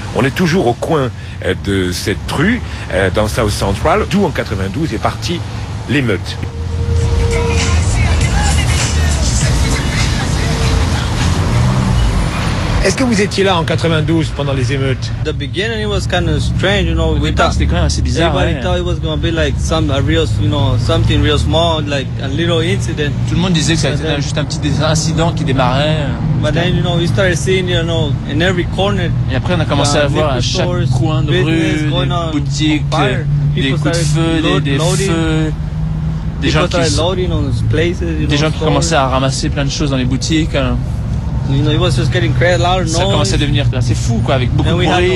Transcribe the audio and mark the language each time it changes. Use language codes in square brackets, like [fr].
[fr] On est toujours au coin de cette rue, dans South Central, d'où en 92 est parti l'émeute. Est-ce que vous étiez là en 92 pendant les émeutes? [en] The beginning was kind of strange, you know. [fr] Au départ, c'était quand même assez bizarre. [en] Everybody thought it was going to be like some real, you know, something real small, like a little incident. [fr] Tout le monde disait que c'était juste un petit incident qui démarrait. [en] But then, you know, we started seeing, you know, in every corner. [fr] Et après, on a commencé à voir à chaque coin de rue, des boutiques, des coups de feu, des feux. Des gens qui commençaient à ramasser plein de choses dans les boutiques. Ça commençait à devenir assez fou, quoi, avec beaucoup de bruit.